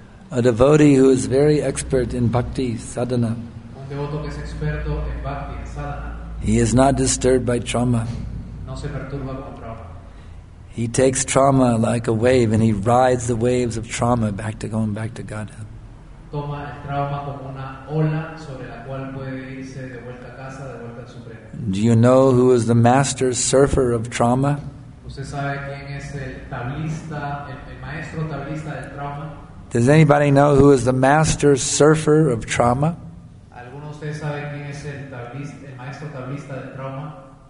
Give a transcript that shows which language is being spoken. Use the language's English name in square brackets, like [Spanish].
[English] A devotee who is very expert in bhakti, sadhana. [Spanish] Un devoto que es experto en bhakti, sadhana. [English] He is not disturbed by trauma. [Spanish] No se perturba con trauma. [English] He takes trauma like a wave and he rides the waves of trauma back to going back to Godhead. [Spanish] Toma el trauma como una ola sobre la cual puede irse de vuelta a casa, de vuelta al Supremo. [English] Do you know who is the master surfer of trauma? [Spanish] ¿Usted sabe quién es el tablista, el maestro tablista del trauma? [English] Does anybody know who is the master surfer of trauma? [Spanish] ¿Alguno de ustedes sabe quién es el maestro tablista del trauma?